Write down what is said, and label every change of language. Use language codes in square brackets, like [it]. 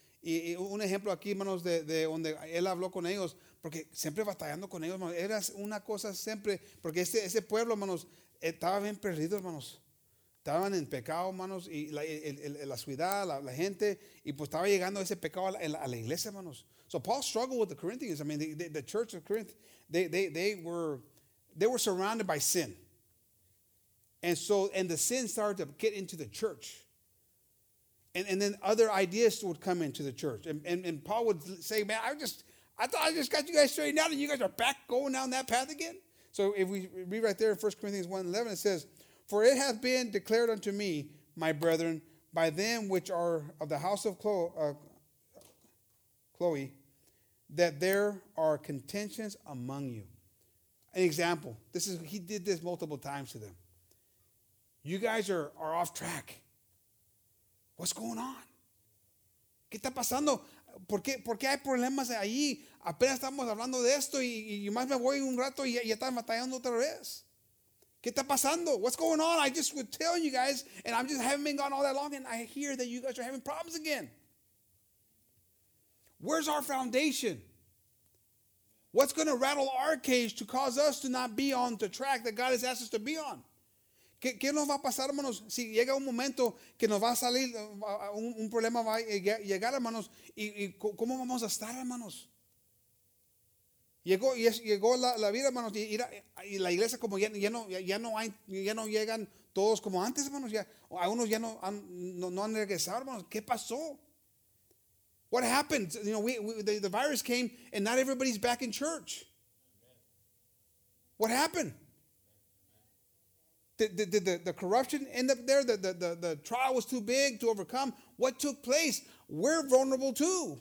[es] Y un ejemplo aquí, hermanos, de donde él habló con ellos. Porque siempre batallando con ellos, hermanos. Era una cosa siempre. Porque ese pueblo, hermanos, estaba bien perdido, hermanos. Estaban en pecado, hermanos, y la ciudad, la gente, y pues estaba llegando ese pecado a la iglesia, hermanos. [en] So Paul struggled with the Corinthians. I mean, the church of Corinth, they were surrounded by sin. And the sin started to get into the church. And then other ideas would come into the church. And Paul would say, man, I thought I just got you guys straightened out, and you guys are back going down that path again. So if we read right there in 1 Corinthians 1:11, it says, for it hath been declared unto me, my brethren, by them which are of the house of Chloe, that there are contentions among you. An example. He did this multiple times to them. You guys are off track. What's going on? [es] ¿Qué está pasando? ¿Por qué hay problemas ahí? Apenas estamos hablando de esto y más me voy un rato y ya están batallando otra vez. ¿Qué está pasando? [en] What's going on? I just would tell you guys, and I just haven't been gone all that long, and I hear that you guys are having problems again. Where's our foundation? What's going to rattle our cage to cause us to not be on the track that God has asked us to be on? [es] ¿Qué nos va a pasar, hermanos, si llega un momento que nos va a salir un problema, va a llegar, hermanos, y cómo vamos a estar, hermanos? Llegó la vida, hermanos, y la iglesia como ya no llegan todos como antes, hermanos. Ya, a unos ya no han regresado, hermanos. ¿Qué pasó? [en] What happened? You know, the virus came and not everybody's back in church. What happened? Did the corruption end up there? The trial was too big to overcome. What took place? We're vulnerable too.